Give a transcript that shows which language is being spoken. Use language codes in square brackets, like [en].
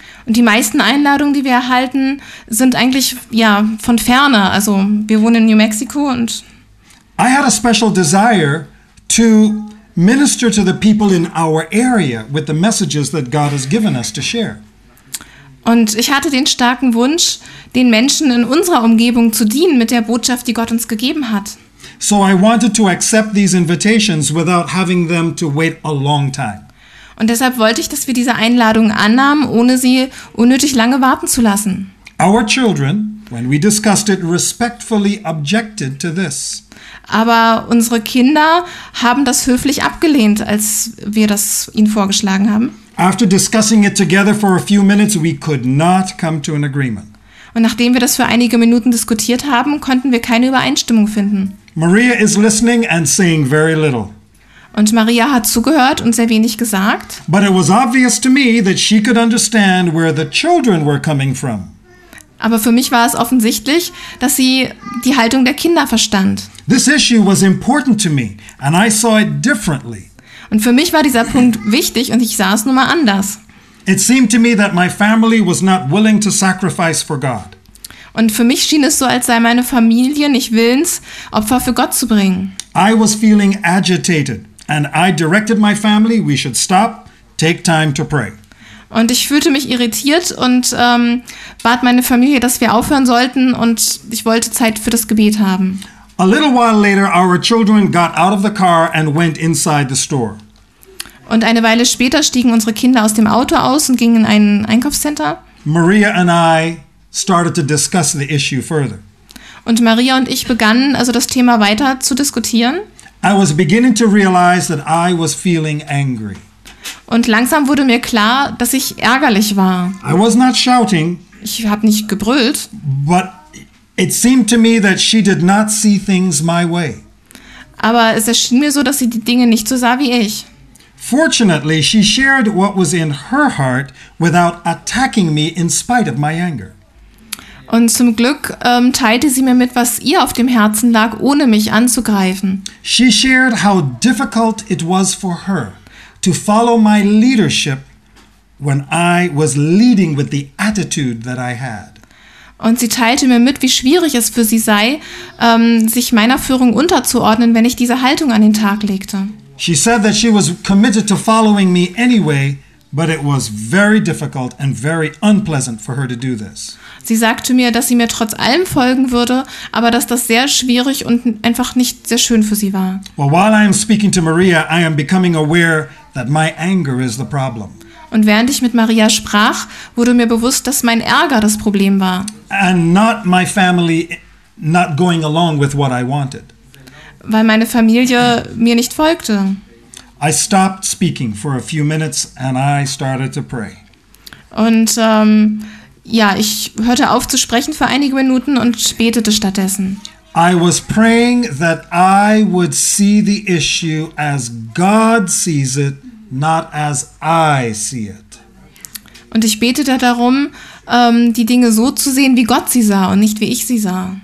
[de] Und die meisten Einladungen, die wir erhalten, sind eigentlich von ferne. Also wir wohnen in New Mexico und [en] I had a special desire to minister to the people in our area with the messages that God has given us to share. [de] Und ich hatte den starken Wunsch, den Menschen in unserer Umgebung zu dienen mit der Botschaft, die Gott uns gegeben hat. [en] So I wanted to accept these invitations without having them to wait a long time. [de] Und deshalb wollte ich, dass wir diese Einladung annahmen, ohne sie unnötig lange warten zu lassen. [en] Our children, when we discussed it, respectfully objected to this. [de] Aber unsere Kinder haben das höflich abgelehnt, als wir das ihnen vorgeschlagen haben. [en] After discussing it together for a few minutes, we could not come to an agreement. [de] Und nachdem wir das für einige Minuten diskutiert haben, konnten wir keine Übereinstimmung finden. [en] Maria is listening and saying very little. [de] Und Maria hat zugehört und sehr wenig gesagt. [en] But it was obvious to me that she could understand where the children were coming from. [de] Aber für mich war es offensichtlich, dass sie die Haltung der Kinder verstand. [en] This issue was important to me, and I saw it differently. [de] Und für mich war dieser Punkt wichtig und ich sah es nun mal anders. [en] It seemed to me that my family was not willing to sacrifice for God. [de] Und für mich schien es so, als sei meine Familie nicht willens, Opfer für Gott zu bringen. [en] I was feeling agitated, and I directed my family, we should stop, take time to pray. [de] Und ich fühlte mich irritiert und bat meine Familie, dass wir aufhören sollten und ich wollte Zeit für das Gebet haben. [en] A little while later, our children got out of the car and went inside the store. [de] Und eine Weile später stiegen unsere Kinder aus dem Auto aus und gingen in ein Einkaufscenter. [en] Maria and I started to discuss the issue further. [de] Und Maria und ich begannen also das Thema weiter zu diskutieren. [en] I was beginning to realize that I was feeling angry. [de] Und langsam wurde mir klar, dass ich ärgerlich war. [en] I was not shouting. [de] Ich habe nicht gebrüllt. [en] But it seemed to me that she did not see things my way. [de] Aber es erschien mir so, dass sie die Dinge nicht so sah wie ich. [en] Fortunately, she shared what was in her heart without attacking me in spite of my anger. [de] Und zum Glück teilte sie mir mit, was ihr auf dem Herzen lag, ohne mich anzugreifen. [en] She shared how difficult it was for her to follow my leadership when I was leading with the attitude that I had. [de] Und sie teilte mir mit, wie schwierig es für sie sei, sich meiner Führung unterzuordnen, wenn ich diese Haltung an den Tag legte. [en] She said that she was committed to following me anyway, but it was very difficult and very unpleasant for her to do this. [de] Sie sagte mir, dass sie mir trotz allem folgen würde, aber dass das sehr schwierig und einfach nicht sehr schön für sie war. [en] Well, while I am speaking to Maria, I am becoming aware that my anger is the problem. [de] Und während ich mit Maria sprach, wurde mir bewusst, dass mein Ärger das Problem war. [en] And not my family not going along with what I wanted. [de] Weil meine Familie mir nicht folgte. [en] I stopped speaking for a few minutes and I started to pray. [de] Und ich hörte auf zu sprechen für einige Minuten und betete stattdessen. [en] I was praying that I would see the issue as God sees it, not as I see it. [de] Und ich betete darum, die Dinge so zu sehen, wie Gott sie sah und nicht wie ich sie sah.